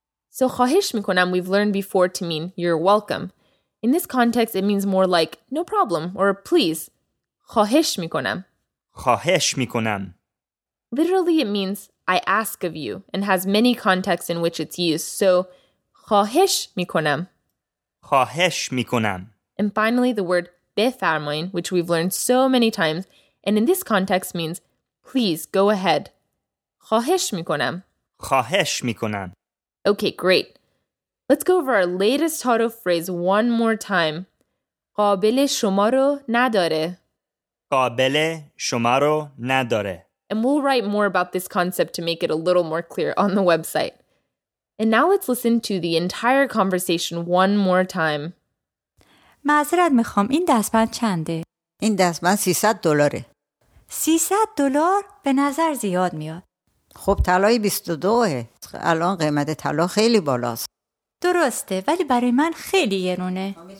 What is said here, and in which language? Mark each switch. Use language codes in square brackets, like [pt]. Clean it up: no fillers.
[en] So [fa] خواهش میکنم [en] we've learned before to mean you're welcome. In this context it means more like no problem or please. [fa] خواهش میکنم. خواهش میکنم. [en] Literally it means I ask of you and has many contexts in which it's used. [fa] So خواهش میکنم. خواهش میکنم. [en] And finally the word بفرماین, which we've learned so many times, and in this context means, please, go ahead. [fa] خواهش میکنم. خواهش میکنم. [en] Okay, great. Let's go over our latest ta'aruf phrase one more time. [fa] قابل شما رو نداره. قابل شما رو نداره. [en] And we'll write more about this concept to make it a little more clear on the website. And now let's listen to the entire conversation one more time. [fa] معذرت میخوام این دستبند چنده؟ این دستبند 300 دلاره. 300 دلار به نظر زیاد میاد. خب طلای 22ه. الان قیمت طلا خیلی بالاست. درسته ولی برای من خیلی گرونه.